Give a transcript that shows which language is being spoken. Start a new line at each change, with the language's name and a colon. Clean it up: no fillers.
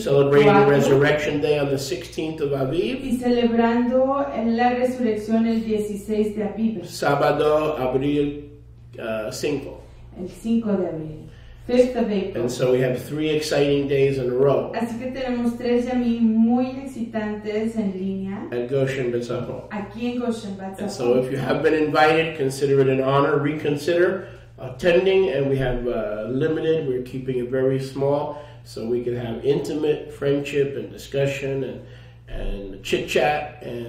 English: Celebrating the Resurrection Day on the 16th of Aviv.
Spanish: Y celebrando la resurrección el 16 de Aviv. Sábado, abril 5. El 5 de abril.
English: 5th of April. And so we have three exciting days in a row.
Spanish: Así que tenemos tres de mí muy excitantes en línea.
English: At Goshen Beit Zahor.
Spanish: Aquí en Goshen Beit Zahor.
English: And so if you have been invited, consider it an honor. Reconsider attending. And we have limited. We're keeping it very small. So we can have intimate friendship and discussion and chit-chat.